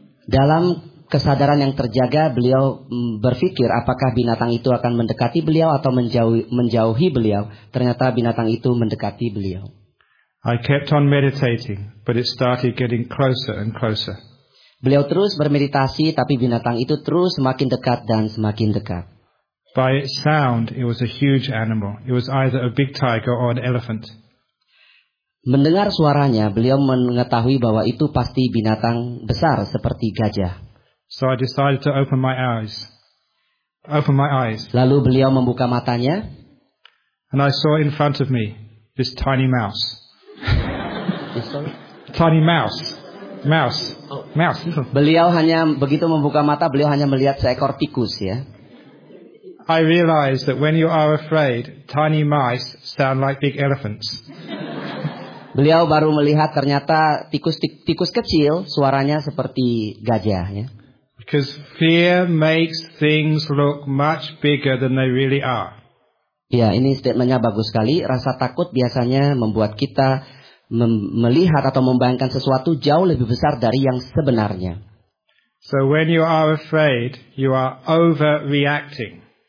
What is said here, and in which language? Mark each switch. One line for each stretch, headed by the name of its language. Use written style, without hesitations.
Indonesian: Dalam kesadaran yang terjaga, beliau berpikir apakah binatang itu akan mendekati beliau atau menjauhi beliau. Ternyata binatang itu mendekati beliau.
English: I kept on meditating, but it started getting closer and closer.
Indonesian: Beliau terus bermeditasi, tapi binatang itu terus semakin dekat dan semakin dekat.
English: By its sound, it was a huge animal. It was either a big tiger or an elephant.
Indonesian: Mendengar suaranya, beliau mengetahui bahwa itu pasti binatang besar seperti gajah.
English: So I decided to open my eyes. Open my eyes.
Indonesian: Lalu beliau membuka matanya.
English: And I saw in front of me this tiny mouse. Tiny mouse. Mouse. Mouse.
Indonesian: Beliau hanya begitu membuka mata, beliau hanya melihat seekor tikus, ya.
English: I realized that when you are afraid, tiny mice sound like big elephants.
Indonesian: Beliau baru melihat ternyata tikus kecil suaranya seperti gajah, ya.
English: Because fear makes things look much bigger than they really are.
Indonesian: Ya, ini statementnya bagus sekali. Rasa takut biasanya membuat kita melihat atau membayangkan sesuatu jauh lebih besar dari yang sebenarnya.
English: So when you are afraid, you are overreacting.